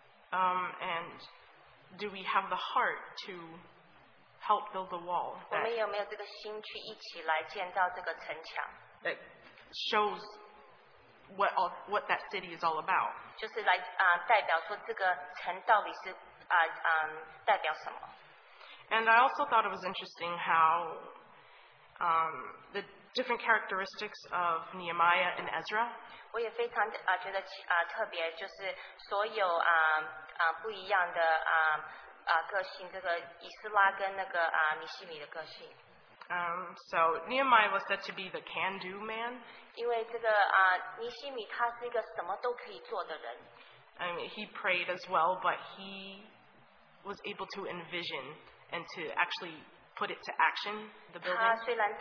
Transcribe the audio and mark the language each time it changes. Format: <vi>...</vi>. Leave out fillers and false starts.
<en>And do we have the heart to help build the wall that shows what that city is all about?</en> <zh>就是来代表说这个城到底是代表什么?</zh> <en>And I also thought it was interesting how the different characteristics of Nehemiah and Ezra.</en> <zh>我也非常觉得特别，就是所有不一样的个性，这个以斯拉跟那个米西米的个性。</zh> <en>So Nehemiah was said to be the can-do man.</en> <zh>因为这个米西米他是一个什么都可以做的人。</zh> <en>I mean, he prayed as well, but he was able to envision and to actually put it to action, the building.</en>